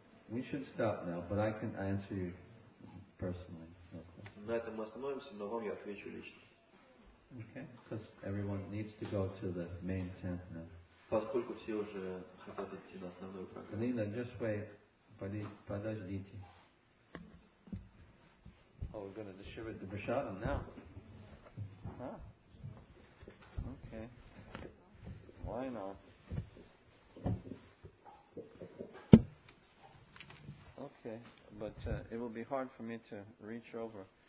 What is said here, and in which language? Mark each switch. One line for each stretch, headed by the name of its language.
English: We should stop now, but I can answer you personally.
Russian: На этом мы остановимся, но вам я отвечу лично.
English: Okay, because everyone needs to go to the main tent now.
Russian: Поскольку все уже хотят идти на основную программу.
English: Лина, just wait.
Russian: Подождите.
English: Oh, we're going to distribute the prasadam now. Huh? Okay. Why not? Okay, but it will be hard for me to reach over.